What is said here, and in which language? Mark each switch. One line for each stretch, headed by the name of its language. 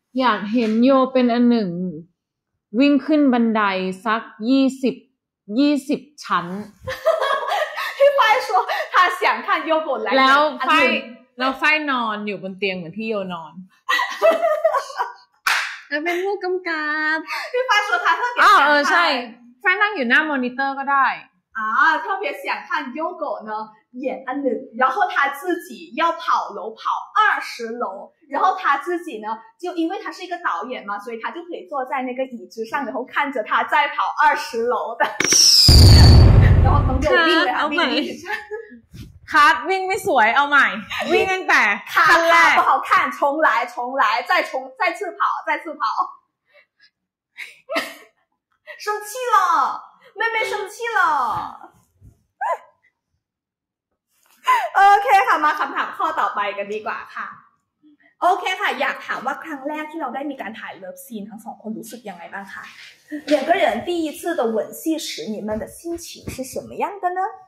Thai: อยากเห็นโยเป็นอันหนึ่งวิ่งขึ้นบันไดสัก20ชั้น
Chinese: พี่ฝ้าย说他想看โยโกะ
Thai: 来แล้วไฟนอนอยู่บนเตียงเหมือนที่โยนอน แล้วเป็นผู้กำกับ
Chinese: พี่ฝ้าย说他特别想看
Thai: อ๋อใช่ไฟนั่งอยู่หน้ามอนิเตอร์ก็ได้
Chinese: อ๋อ特别想看โยโกะ呢演อันหนึ่ง然后他自己要跑楼跑20楼然后他自己呢就因为他是一个导演嘛所以他就可以坐在那个椅子上然后看着他再跑20楼的然后他就命令他命令他命令他命令他命令他命令他不好看重来重来再重再次跑再次跑生气了妹妹生气了
Thai: OK ค่ะมาคำถามข้อต่อไปกันดีกว่าค่ะโอเคค่ะอยากถามว่าครั้งแรกที่เราได้มีการถ่ายเลิฟซีนทั้งสองคนรู้สึกยังไงบ้างคะ
Chinese: 两个人第一次的吻戏时你们的心情是什么样的呢